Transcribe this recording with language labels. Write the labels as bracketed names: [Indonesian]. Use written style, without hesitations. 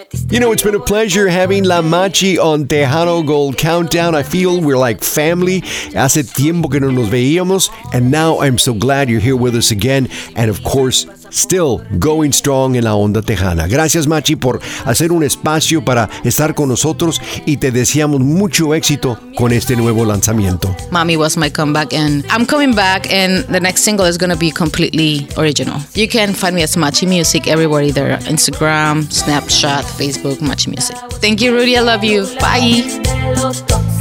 [English] You know, it's been a pleasure having La Machi on Tejano Gold Countdown. I feel we're like family. [Spanish] Hace tiempo que no nos veíamos, [English] and now I'm so glad you're here with us again. And of course, still going strong [Spanish] en la onda tejana. Gracias, Machi, por hacer un espacio para estar con nosotros y te deseamos mucho éxito con este nuevo lanzamiento. [English] Mami was my comeback and I'm coming back and the next single is going to be completely original. You can find me as Machi Music everywhere, either Instagram, Snapchat, Facebook, Machi Music. Thank you, Rudy. I love you. Bye.